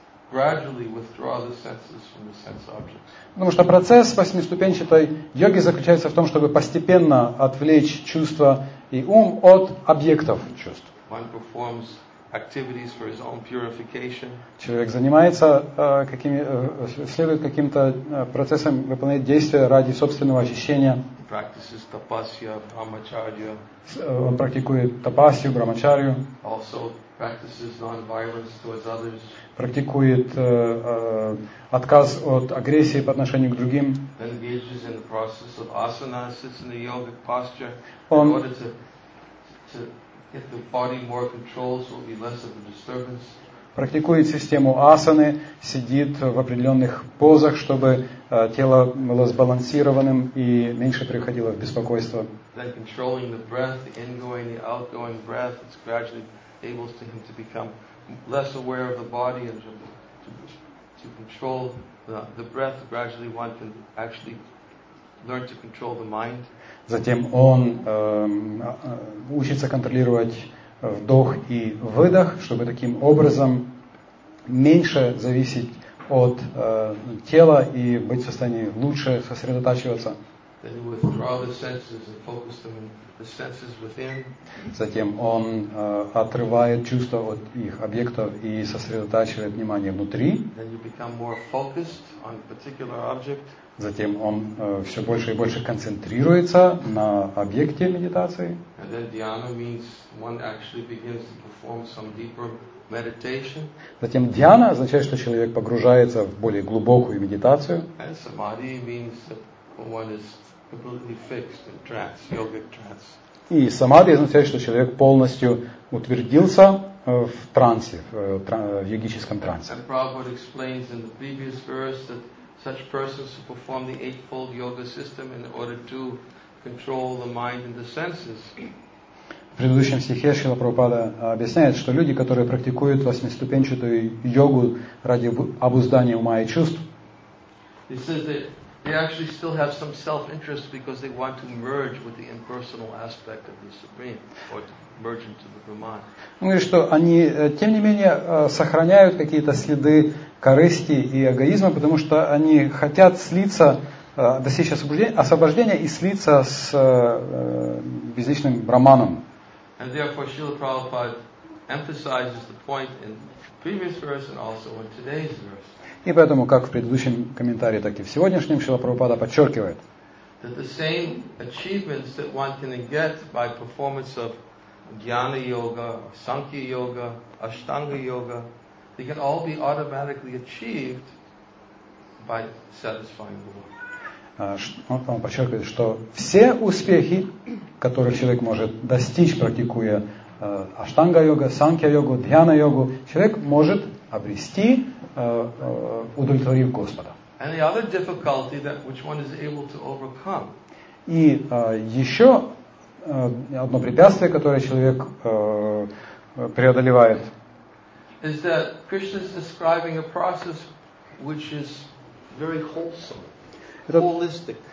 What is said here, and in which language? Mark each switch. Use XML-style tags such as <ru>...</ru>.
<en>gradually withdraw the senses from the sense objects.</en> <ru>Потому что процесс восьмиступенчатой йоги заключается в том, чтобы постепенно отвлечь чувства и ум от объектов чувств.</ru> <en>One performs activities for his own purification.</en> <ru>Человек занимается следует каким-то процессом, выполняет действия ради собственного очищения.</ru> <en>He practices tapasya, brahmacharya.</en> <ru>Он практикует тапасию, брахмачарью.</ru> <en>Also practices non-violence towards others.</en> <ru>Практикует отказ от агрессии по отношению к другим.</ru> <en>Then engages in the process of asana, sits in the yogic posture in order to get the body more control, so it'll be less of a disturbance.</en> <ru>Практикует систему асаны, сидит в определенных позах, чтобы тело было сбалансированным и меньше приходило в беспокойство.</ru> <en>Then controlling the breath, the ingoing, the outgoing breath, it's gradually enables him to become less aware of the body and to control the breath. Gradually one can actually learn to control the mind.</en> <ru>Затем он учится контролировать вдох и выдох, чтобы таким образом меньше зависеть от тела и быть в состоянии лучше сосредотачиваться.</ru> <en>Then he withdraw the senses and focus them in the senses within.</en> <ru>Затем он отрывает чувства от их объектов и сосредотачивает внимание внутри.</ru> <en>Then you become more focused on a particular object.</en> <ru>Затем он все больше и больше концентрируется на объекте медитации.</ru> <en>And then dhyana means one actually begins to perform some deeper meditation.</en> <ru>Затем дьяна означает, что человек погружается в более глубокую медитацию.</ru> <en>And samadhi means one is completely fixed in trance, yogic trance.</en> <ru>И самадхи означает, что человек полностью утвердился в трансе, в йогическом трансе.</ru> <en>And Prabhupada explains in the previous verse that such persons who perform the eightfold yoga system in order to control the mind and the senses.</en> <ru>В предыдущем стихе Шрила Прабхупада объясняет, что люди, которые практикуют восьмиступенчатую йогу ради обуздания ума и чувств,</ru> <en>they actually still have some self-interest because they want to merge with the impersonal aspect of the Supreme, or to merge into the Brahman.</en> <ru>Ну и что они, тем не менее, сохраняют какие-то следы корысти и эгоизма, потому что они хотят слиться, достичь освобождения и слиться с безличным Брахманом.</ru> <en>And therefore, Srila Prabhupada emphasizes the point in the previous verse and also in today's verse.</en> <ru>И поэтому, как в предыдущем комментарии, так и в сегодняшнем, Шрила Прабхупада подчеркивает,</ru> <en>that the same achievements that one can get by performance of Jnana Yoga, Sankhya Yoga, Ashtanga Yoga, they can all be automatically achieved by satisfying the world.</en> <ru>Он подчеркивает, что все успехи, которые человек может достичь, практикуя Ashtanga Yoga, Sankhya Yoga, Jnana Yoga, человек может обрести, удовлетворив Господа.</ru> <en>And the other difficulty that which one is able to overcome.</en> <ru>И еще одно препятствие, которое человек преодолевает.</ru> <en>Is that Krishna is describing a process which is very wholesome, holistic.</en>